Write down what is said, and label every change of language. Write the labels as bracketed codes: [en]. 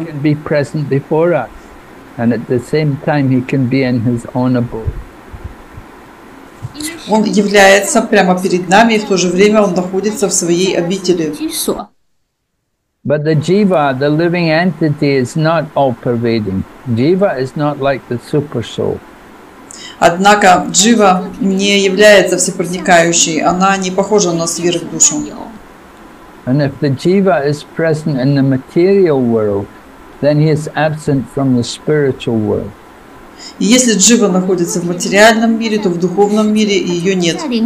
[en] He can be present before us, and at the same time he can be in his own abode. [ru] Он является прямо перед нами, и в то же время он находится в своей обители. [en] But the jiva, the living entity, is not all-pervading. Jiva is not like the super soul. [ru] Однако джива не является всепроникающей, она не похожа на сверхдушу. [en] And if the jiva is present in the material world, then he is absent from the spiritual world. [ru] И если джива находится в материальном мире, то в духовном мире ее нет.